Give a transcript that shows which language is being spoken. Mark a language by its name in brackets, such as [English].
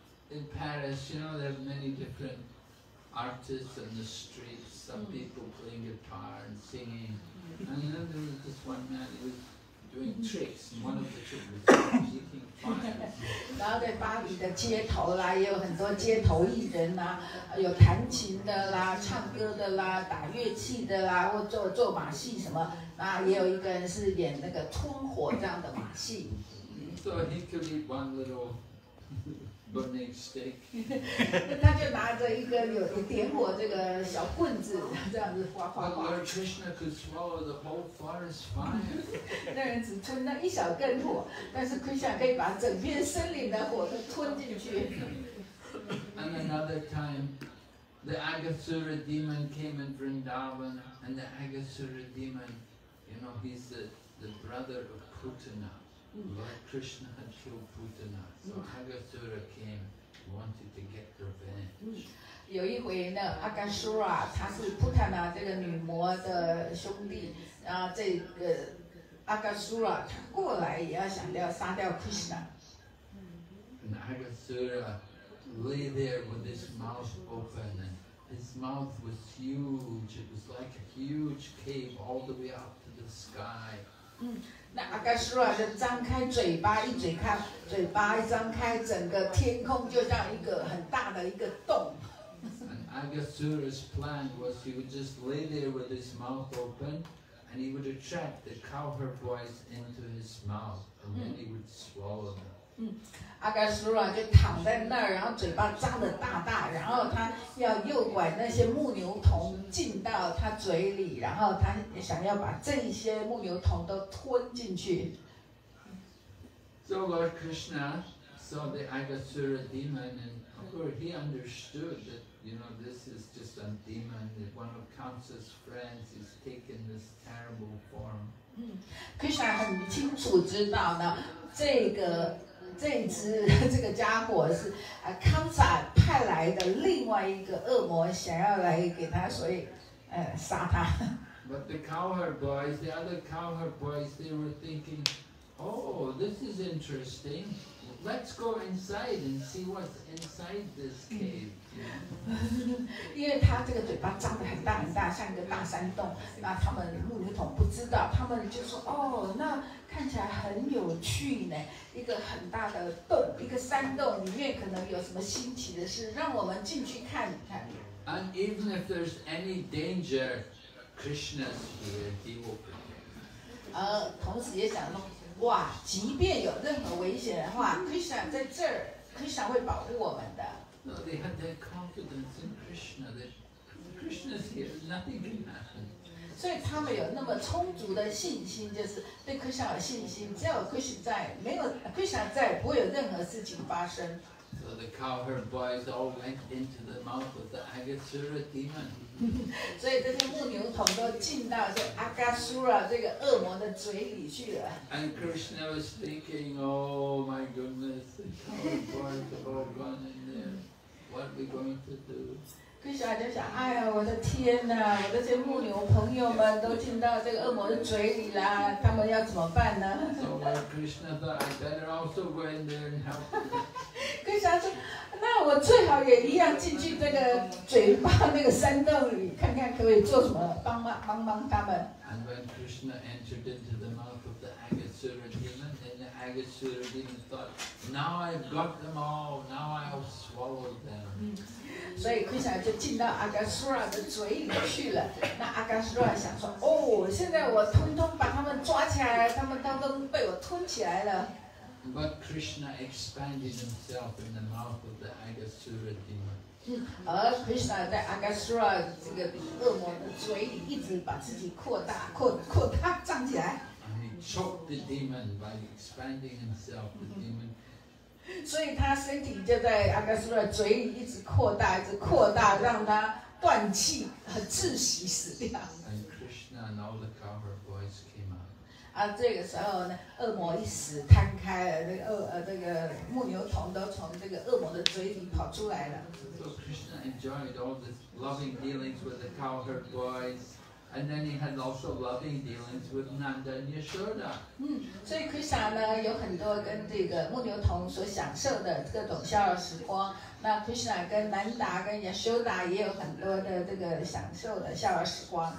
[English] In Paris, you know, there are many different artists in the streets. Some people playing guitar and singing. And then there was this one man who was doing tricks, and one of the children was eating fire. [Chinese] 然后在巴黎的街头啦，也有很多街头艺人啦，有弹琴的啦，唱歌的啦，打乐器的啦，或做马戏什么。那也有一个人是演那个吞火这样的马戏。 [English] So he could eat one little burning stick. [Chinese] 他就拿着一个有点火这个小棍子，这样子刮刮刮。 [English] But Lord Krishna could swallow the whole forest fire. [Chinese] 那人只吞那一小根火，但是 Krishna 可以把整片森林的火都吞进去。 [English] And another time, The Agasura demon came in Vrindavan, and the Agasura demon, you know, he's the brother of Putana. Lord Krishna had killed Putana, so Agasura came, wanted to get revenge. [Chinese] 有一回呢，阿甘苏拉他是普塔纳这个女魔的兄弟，然后这个阿甘苏拉他过来也要想要杀掉克什纳。 [English] And Agasura lay there with his mouth open, and his mouth was huge. It was like a huge cave all the way up to the sky. [Chinese] 那阿甘苏拉就张开嘴巴，一嘴开，嘴巴一张开，整个天空就像一个很大的一个洞。 [English] And Agasura's plan was he would just lay there with his mouth open and he would attract the cowherd boys into his mouth and then he would swallow them. [Chinese] Agasura 就躺在那儿，然后嘴巴张得大大，然后他要诱拐那些牧牛童进到他嘴里，然后他想要把这些牧牛童都吞进去。 [English] So Lord Krishna saw the Agasura demon and of course he understood that you know, this is just a demon, one of Kamsa's friends is taking this terrible form. [Chinese] Krishna 很清楚知道呢，这个家伙是Kamsa 派来的另外一个恶魔，想要来给他，所以杀他。 [English] But the cowherd boys, the other cowherd boys, they were thinking, oh, this is interesting. Let's go inside and see what's inside this cave. [Chinese] 因为他这个嘴巴张得很大很大，像一个大山洞。那他们牧牛童不知道，他们就说：“哦，那看起来很有趣呢，一个很大的洞，一个山洞里面可能有什么新奇的事，让我们进去看一看。” [English] And even if there's any danger, Krishna's here, he will protect. [Chinese] 同时也想说。哇，即便有任何危险的话 ，Krishna 在这儿 ，Krishna 会保护我们的。 [English] No, they had their confidence in Krishna. Krishna's here, nothing can happen. [Chinese] 所以他们有那么充足的信心，就是对 Krishna 有信心，只要 Krishna 在，没有 Krishna 在，不会有任何事情发生。 [English] So the cowherd boys all went into the mouth of the Agasura demon. [Chinese] 所以这些牧牛童都进到这阿嘎苏拉这个恶魔的嘴里去了。 [English] And Krishna was thinking, oh my goodness, the cowherd boys have all gone in there. What are we going to do? [Chinese] Krishna 就想，哎呀，我的天哪，我这些牧牛朋友们都进到这个恶魔的嘴里啦，他们要怎么办呢？ [English] So Lord Krishna thought, I better also go in there and help. [Chinese] Krishna 说，那我最好也一样进去这个嘴巴那个山洞里，看看可以做什么，帮他们。 [English] And when Krishna entered into the mouth of the Agasura demon, then the Agasura demon thought, now I've got them all, now I'll swallow them. [Chinese] 所以 Krishna 就进到 Agasura 的嘴里去了。那 Agasura 想说，哦，现在我通通把他们抓起来了，他们当中被我吞起来了。 [English] But Krishna expanded himself in the mouth of the Agasura demon. [Chinese] 而 Krishna 在 Agasura 这个恶魔的嘴里一直把自己扩大胀起来。 [English] And he choked the demon by expanding himself. The demon. [Chinese] 所以他身体就在 Agasura 嘴里一直扩大，让他断气和窒息死掉。 [English] And Krishna and all the cowherd boys came out. [Chinese] 这个时候呢，恶魔一死，摊开了，这个牧牛童都从这个恶魔的嘴里跑出来了。 [English] So Krishna enjoyed all the loving dealings with the cowherd boys, and then he had also loving dealings with Nanda and Yashoda. [Chinese] 所以 Krishna 呢有很多跟这个牧牛童所享受的各种逍遥时光。那 Krishna 跟 Nanda 跟 Yashoda 也有很多的这个享受的逍遥时光。